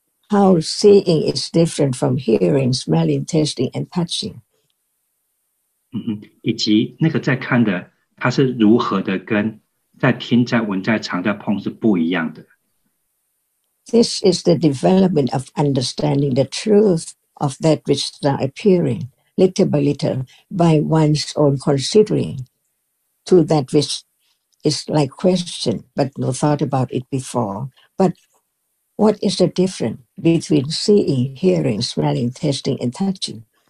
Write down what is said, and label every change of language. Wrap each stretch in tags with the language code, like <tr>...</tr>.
<en>How seeing is different from hearing, smelling, tasting, and touching.</en> <zh>以及那个在看的，它是如何的跟在听、在闻、在尝、在碰是不一样的。</zh> <en>This is the development of understanding the truth of that which is now appearing, little by little, by one's own considering, to that which is like question, but no thought about it before, but what is the difference between seeing, hearing, smelling, tasting, and touching?</en>